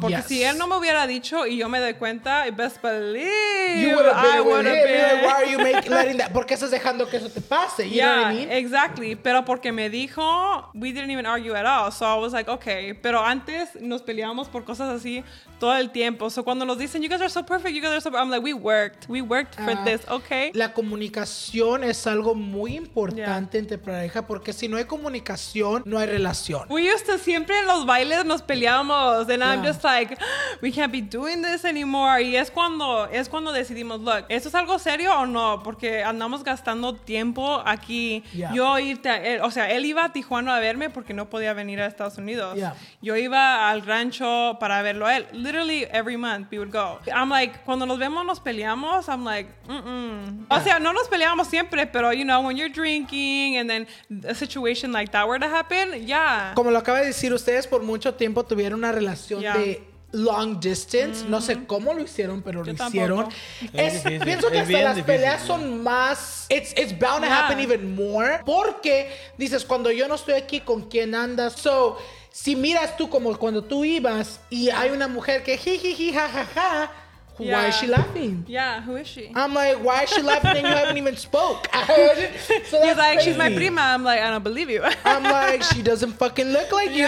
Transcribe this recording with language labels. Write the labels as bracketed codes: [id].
[es] Porque si él no me hubiera dicho y yo me doy cuenta, [en] best believe, I would have been. Why are you letting that? [es] ¿Por qué estás dejando que eso te pase? [en] You know what I mean? Exactly. [es] Pero porque me dijo, [en] we didn't even argue at all. So I was like, okay. [es] Pero antes nos peleábamos por cosas así todo el tiempo. [en] So [es] cuando nos dicen, [en] you guys are so perfect, I'm like, we worked for this, okay. [es] La comunicación es algo muy importante entre pareja porque si no hay comunicación, no hay relación. [en] We used to, [es] siempre en los bailes nos peleábamos, [en] and I'm just like, we can't be doing this anymore. [es] Y es cuando decidimos, look, ¿esto es algo serio o no? Porque andamos gastando tiempo aquí. Yo irte a, o sea, él iba a Tijuana a verme porque no podía venir a Estados Unidos. Yo iba al rancho para verlo a él. [en] Literally every month we would go. I'm like, [es] cuando nos vemos nos peleamos, [en] I'm like, [es] O sea, no nos peleamos siempre, pero [en] you know, when you're drinking and then a situation like that were to happen, [es] Como lo acaba de decir, ustedes por mucho tiempo tuvieron una relación de long distance. No sé cómo lo hicieron, pero yo lo tampoco. Hicieron. Es pienso que es hasta las difícil, peleas son más... [en] It's bound to happen even more. [es] Porque dices, cuando yo no estoy aquí, ¿con quién andas? So... Si miras tú como cuando tú ibas y hay una mujer que jijiji jajaja, [en] why is she laughing? Yeah, who is she? I'm like, why is she laughing and you haven't even spoke? So he's like, crazy. She's my prima. I'm like, I don't believe you. I'm like, she doesn't fucking look like you.